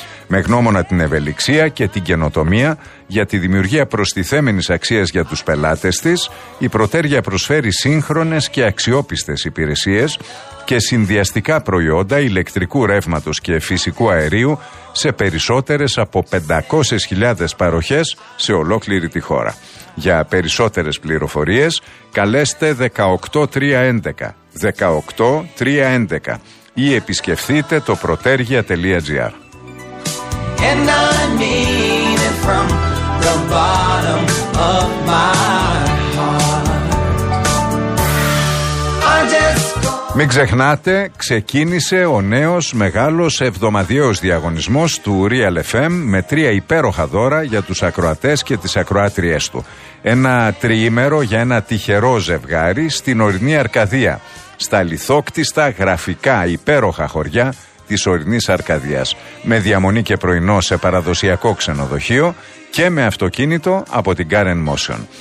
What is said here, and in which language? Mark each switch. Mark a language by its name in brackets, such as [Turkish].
[Greek] Με γνώμονα την ευελιξία και την καινοτομία για τη δημιουργία προστιθέμενης αξίας για τους πελάτες της, η Πρωτέργεια προσφέρει σύγχρονες και αξιόπιστες υπηρεσίες και συνδυαστικά προϊόντα ηλεκτρικού ρεύματος και φυσικού αερίου σε περισσότερες από 500.000 παροχές σε ολόκληρη τη χώρα. Για περισσότερες πληροφορίες καλέστε 18311 ή επισκεφτείτε το protergia.gr. [English] And I mean it from the bottom of my heart. I just go. [Greek] Μην ξεχνάτε, ξεκίνησε ο νέος μεγάλος εβδομαδιαίος διαγωνισμός του Real FM με 3 υπέροχα δώρα για τους ακροατές και τις ακροάτριές του. Ένα τριήμερο για ένα τυχερό ζευγάρι στην ορεινή Αρκαδία, στα λιθόκτιστα γραφικά υπέροχα χωριά της ορεινής Αρκαδίας, με διαμονή και πρωινό σε παραδοσιακό ξενοδοχείο και με αυτοκίνητο από την Car & Motion.